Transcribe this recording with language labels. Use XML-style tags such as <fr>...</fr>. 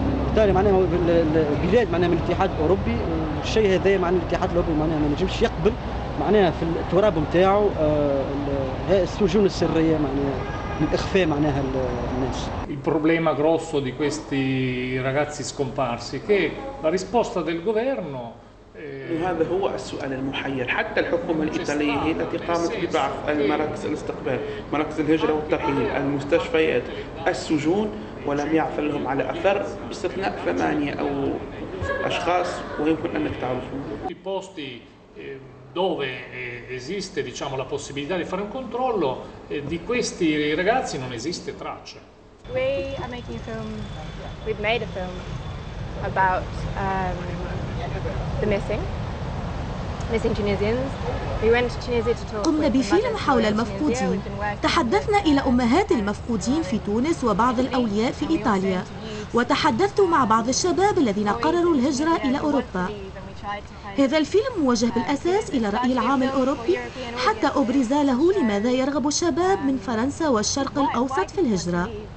<ar>إيطاليا معناها بلاد معناها من الاتحاد الأوروبي، والشيء هذا معناها الاتحاد الأوروبي معناها ما نجمش يقبل معناها في التراب نتاعو السجون السرية معناها الإخفاء معناها الناس.</ar> <it>Il problema grosso di questi ragazzi scomparsi che la risposta del governo</it> <ar>هذا هو السؤال المحير. حتى الحكومة الإيطالية هي التي قامت ببعث المراكز الاستقبال، مراكز الهجرة والترحيل، المستشفيات، السجون، ولم يعفل لهم على أثر باستثناء ثمانية أو أشخاص، ويمكن أنك تعرفهم.</ar> <it>dove esiste diciamo la possibilità di fare un controllo di questi ragazzi non esiste traccia.</it> <en>We are making a film. We've made a film about the missing Tunisians. We went to Tunisia to talk.</en> <ar>قمنا بفيلم حول المفقودين. تحدثنا إلى أمهات المفقودين في تونس وبعض الأولياء في إيطاليا. وتحدثت مع بعض الشباب الذين قرروا الهجرة إلى أوروبا. هذا الفيلم موجه بالأساس إلى رأي العام الأوروبي حتى أبرز له لماذا يرغب الشباب من فرنسا والشرق الأوسط في الهجرة.</ar>